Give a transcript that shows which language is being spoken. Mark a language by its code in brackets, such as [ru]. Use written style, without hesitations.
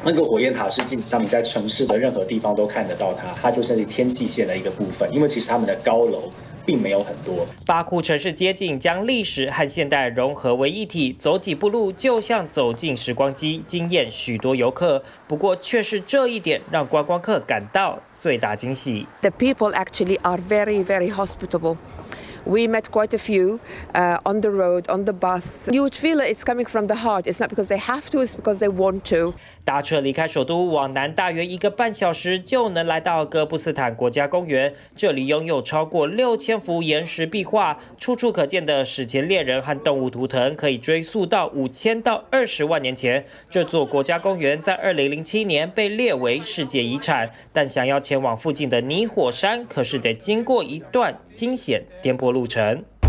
[zh] 那个火焰塔是基本上你在城市的任何地方都看得到它，它就是天际线的一个部分，因为其实他们的高楼并没有很多。巴库城市街景将历史和现代融合为一体，走几步路就像走进时光机，惊艳许多游客。不过却是这一点让观光客感到最大惊喜。 [en] The people actually are very, very hospitable. We met quite a few on the road, on the bus. You would feel it's coming from the heart. It's not because they have to, it's because they want to. [zh] 搭车离开首都，往南大约一个半小时就能来到哥布斯坦国家公园。这里拥有超过6000幅岩石壁画，处处可见的史前猎人和动物图腾可以追溯到5000到20万年前。这座国家公园在2007年被列为世界遗产，但想要前往附近的泥火山，可是得经过一段惊险颠簸路程。